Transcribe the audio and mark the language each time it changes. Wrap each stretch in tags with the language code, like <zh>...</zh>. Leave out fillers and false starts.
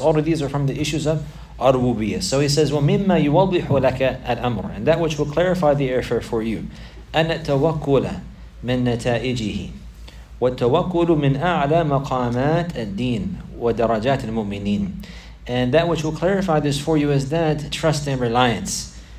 <en>All of these are from the issues of al-Rububiyyah. So He says,</en> <ar>وَمِمَّا يُوَضِّحُ لَكَ الْأَمْرُ.</ar> <en>And that which will clarify the affair for you.</en> <ar>أَنَ التَوَكُّلَ مِن نَتَائِجِهِ وَالتَوَكُّلُ مِنْ أَعْلَى مَقَامَاتِ الدِّينِ وَدَرَجَاتِ الْمُؤْمِنِينَ.</ar> <en>And that which will clarify this for you is that trust and reliance.</en>